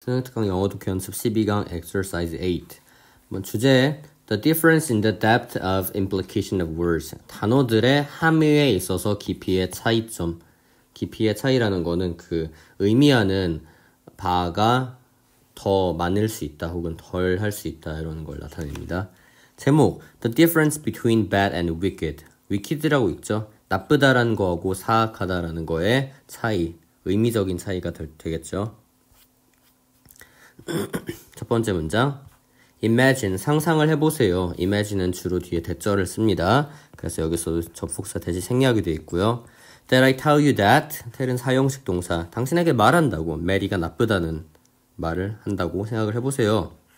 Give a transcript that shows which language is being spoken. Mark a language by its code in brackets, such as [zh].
[ko] SNTG 영어 독해원 12강 exercise 8. [en] 주제, the difference in the depth of implication of words. [ko] 단어들의 함유에 있어서 깊이의 차이점. 깊이의 차이라는 거는 그 의미하는 바가 더 많을 수 있다 혹은 덜 할 수 있다 이런 걸 나타냅니다. [en] 제목, the difference between bad and wicked. [ko] wicked라고 읽죠? 나쁘다라는 거하고 사악하다라는 거의 차이, 의미적인 차이가 되겠죠? 첫 번째 문장 [en] Imagine, [ko] 상상을 해보세요 Imagine은 주로 뒤에 대절을 씁니다 그래서 여기서 접속사 대지 생략이 되어 있고요 [en] That I tell you that [ko] tell은 사형식 동사 당신에게 말한다고 Mary가 나쁘다는 말을 한다고 생각을 해보세요